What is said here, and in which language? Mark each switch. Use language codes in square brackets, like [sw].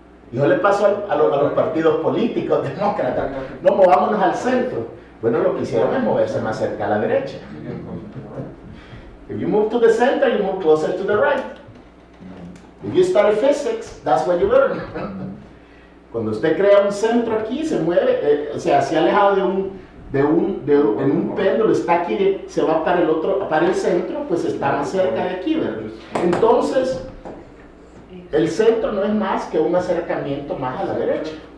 [es] Yo le paso a los partidos políticos demócratas. No, movámonos al centro. Bueno, lo que hicieron es moverse más cerca a la derecha. [en] If you move to the center, you move closer to the right. If you study physics, that's what you learn. [es] Cuando usted crea un centro aquí, se mueve, se ha alejado en un péndulo, está aquí, se va para el otro, para el centro, pues está más cerca de aquí, ¿verdad? Entonces, el centro no es más que un acercamiento más a la derecha.